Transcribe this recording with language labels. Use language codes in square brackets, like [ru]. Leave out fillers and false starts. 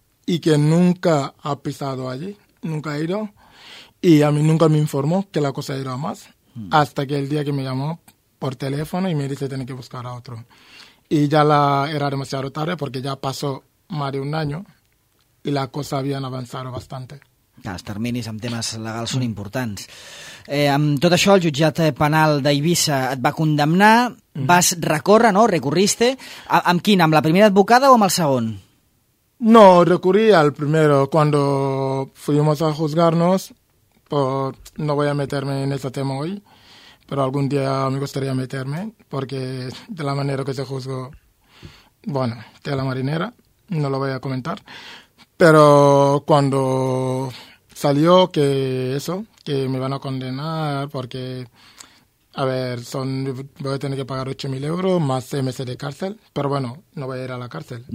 [es] Y que nunca ha pisado allí, nunca ha ido. Y a mí nunca me informó que la cosa era más. Hasta que el día que me llamó por teléfono y me dice tiene que buscar a otro. Y ya era demasiado tarde porque ya pasó más de un año y la cosa había avanzado bastante. [ca] Els terminis amb temes legals són importants. Amb tot això, el jutjat penal d'Eivissa et va condemnar, vas recórrer, no? [es] Recurriste. [ca] Amb quin? Amb la primera advocada o amb el segon? [es] No, recurrí al primero, cuando fuimos a juzgarnos, pues no voy a meterme en ese tema hoy, pero algún día me gustaría meterme, porque de la manera que se juzgó, bueno, de la marinera, no lo voy a comentar, pero cuando salió que eso, que me van a condenar, porque, a ver, voy a tener que pagar 8.000 euros más 6 meses de cárcel, pero bueno, no voy a ir a la cárcel.